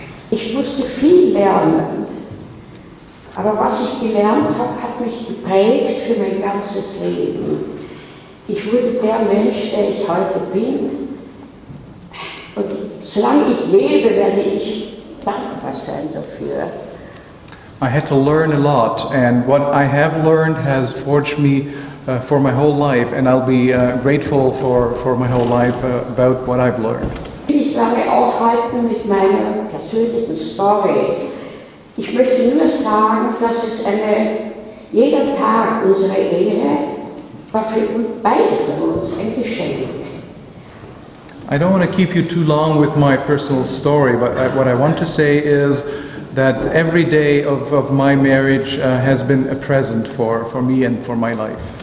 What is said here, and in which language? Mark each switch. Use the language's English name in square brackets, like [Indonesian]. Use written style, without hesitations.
[German] Ich musste viel lernen, aber was ich gelernt habe, hat mich geprägt für mein ganzes Leben. Ich wurde der Mensch, der ich heute bin, und solange ich lebe, werde ich dankbar sein dafür. [English] I had to learn a lot, and what I have learned has forged me for my whole life, and I'll be grateful for my whole life about what I've learned. [German] Ich werde aufhalten mit meiner persönlichen Story. Ich möchte nur sagen, dass es jeder Tag unserer Ehe war für beide von uns ein Geschenk. [English] I don't want to keep you too long with my personal story, but what I want to say is that every day of my marriage has been a present for me and for my life.